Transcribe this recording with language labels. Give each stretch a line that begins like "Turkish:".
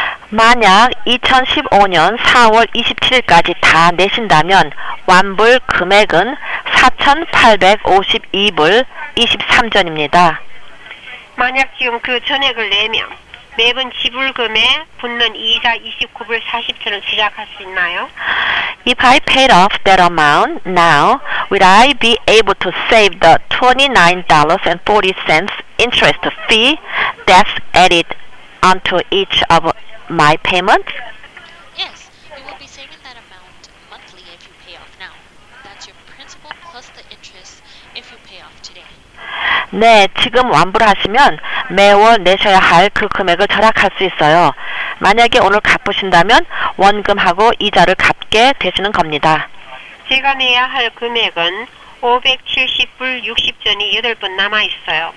Korean: 만약 2015년 4월 27일까지 다 내신다면 완불 금액은 4,852불 23전입니다. 만약 지금 그 전액을 내면 매번 지불금에 붙는 이자 29불 40전을 지각할 수 있나요?
English: If I paid off that amount now, would I be able to save the $29.40 interest fee that's added onto each of my payments? Yes, you will be saving that amount monthly if you pay off now. That's your principal plus the interest if you pay off today.
Korean: 네, 지금 완불하시면 매월 내셔야 할 그 금액을 절약할 수 있어요. 만약에 오늘 갚으신다면 원금하고 이자를 갚게 되시는 겁니다. 제가 내야 할 금액은 570불 60전이 8번 남아 있어요.